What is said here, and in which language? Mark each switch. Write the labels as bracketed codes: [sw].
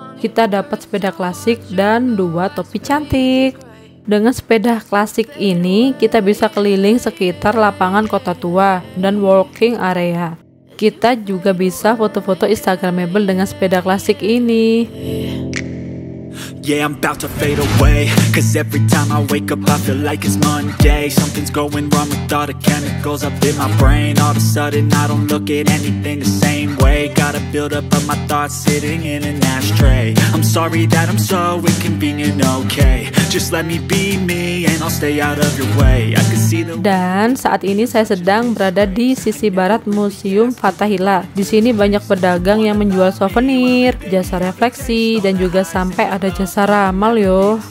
[id] Kita dapat sepeda klasik dan 2 topi cantik. Dengan sepeda klasik ini, kita bisa keliling sekitar lapangan Kota Tua dan walking area. Kita juga bisa foto-foto Instagramable dengan sepeda klasik ini. [en] Yeah, I'm about to fade away. Cause every time I wake up I feel like it's Monday. Something's going wrong with all the chemicals up in my brain. All of a sudden I don't look at anything the same way. Gotta build up of my thoughts sitting in an ashtray. I'm sorry that I'm so inconvenient, okay. Just let me be me and I'll stay out of your way. I can see the... [id] Dan saat ini saya sedang berada di sisi barat Museum Fathahila. Di sini banyak pedagang yang menjual souvenir, jasa refleksi, dan juga sampai ada jasa ramal yo.